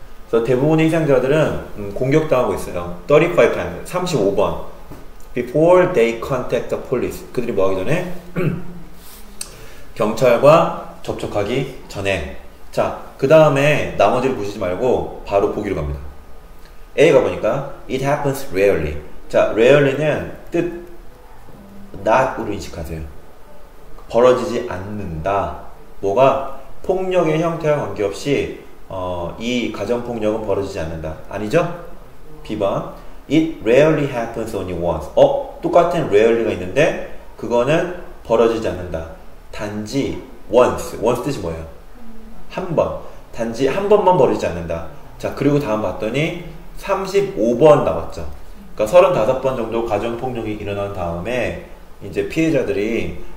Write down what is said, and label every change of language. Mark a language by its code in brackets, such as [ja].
[ko] 그래서 대부분의 희생자들은 공격당하고 있어요. [en] 35 times, [ko] 35번. [en] Before they contact the police, [ko] 그들이 뭐 하기 전에 경찰과 접촉하기 전에. 자, 그 다음에 나머지를 보시지 말고 바로 보기로 갑니다. A가 보니까 [en] it happens rarely. [ko] 자, rarely는 뜻 not으로 인식하세요. 벌어지지 않는다. 뭐가 폭력의 형태와 관계없이 이 가정폭력은 벌어지지 않는다. 아니죠? [en] B번 it rarely happens only once. [ko] 똑같은 rarely가 있는데 그거는 벌어지지 않는다. 단지 once. once 뜻이 뭐예요? 한 번. 단지 한 번만 벌어지지 않는다. 자, 그리고 다음 봤더니 35번 나왔죠. 그러니까 35번 정도 가정폭력이 일어난 다음에 이제 피해자들이